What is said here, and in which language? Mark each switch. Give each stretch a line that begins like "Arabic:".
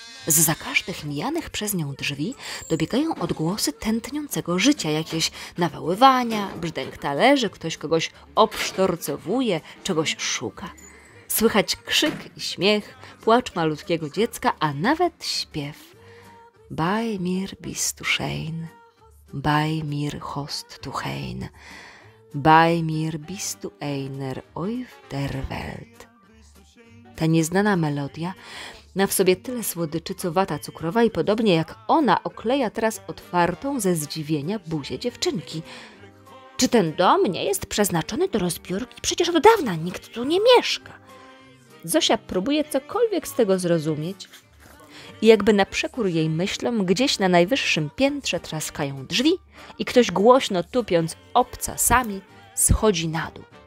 Polish: Zza każdych mijanych przez nią drzwi dobiegają odgłosy tętniącego życia. Jakieś nawoływania, brzdęk talerzy, ktoś kogoś obsztorcowuje, czegoś szuka. Słychać krzyk i śmiech, płacz malutkiego dziecka, a nawet śpiew.
German: Bei mir bist du schön, bei mir hast du Heim, bei mir bist du einer auf der Welt.
Polish: Ta nieznana melodia ma w sobie tyle słodyczy, co wata cukrowa i podobnie jak ona okleja teraz otwartą ze zdziwienia buzię dziewczynki. Czy ten dom nie jest przeznaczony do rozbiórki? Przecież od dawna nikt tu nie mieszka. Zosia próbuje cokolwiek z tego zrozumieć i jakby na przekór jej myślom gdzieś na najwyższym piętrze traskają drzwi i ktoś głośno tupiąc obcasami schodzi na dół.